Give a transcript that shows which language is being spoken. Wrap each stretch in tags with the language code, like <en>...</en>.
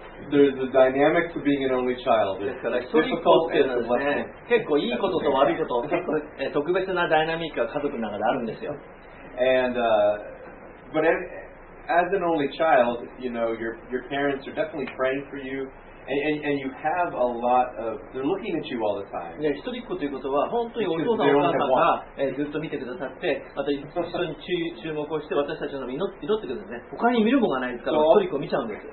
<en>There's a dynamic to being an only child.</en> <ja>ですから一人っ子っていうのはね、結構いいことと悪いこと、結構特別なダイナミックが家族の中であるんですよ。</ja> <en>And, but anyAs an only child, you know, your parents are definitely praying for you, and you have a lot of, they're looking at you all the time.</en> <ja>いや、一人っ子ということは、本当にお父さんお母さんがずっと見てくださって、また一緒に注目をして私たちの祈ってくださいね。他に見るものがないですから、一人っ子見ちゃうんです。</ja>